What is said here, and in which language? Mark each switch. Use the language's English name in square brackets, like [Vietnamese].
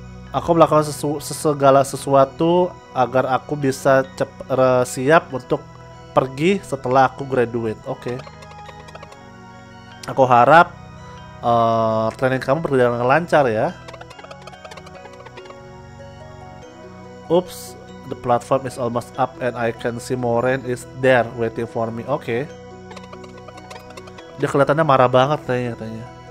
[Indonesian] Aku melakukan segala sesuatu agar aku bisa siap untuk pergi setelah aku graduate. Oke. Aku harap training kamu berjalan dengan lancar ya. [English] Oops, the platform is almost up and I can see Moraine is there waiting for me. [Indonesian] Oke. Dia kelihatannya marah banget katanya.